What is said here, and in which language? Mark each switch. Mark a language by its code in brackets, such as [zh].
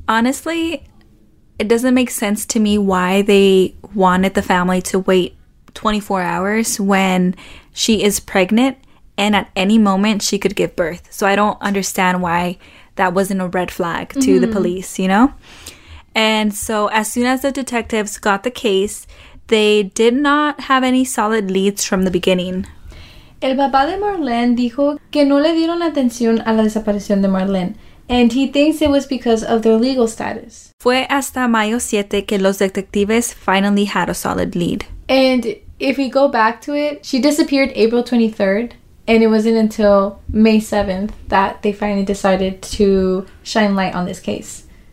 [en] Honestly, it doesn't make sense to me why they wanted the family to wait 24 hours when she is pregnant and at any moment she could give birth. So I don't understand why that wasn't a red flag to mm-hmm. the police, you know? And so as soon as the detectives got the case, they did not have any solid leads from the beginning. [es] El papá de Marlene dijo que no le dieron atención a la desaparición de Marlene. [en] And he thinks it was because of their legal status. [es] Fue hasta mayo 7 que los detectives [en] finally had a solid lead. And if we go back to it, she disappeared April 23rd. And it wasn't until May 7th that they finally decided to shine light on this case.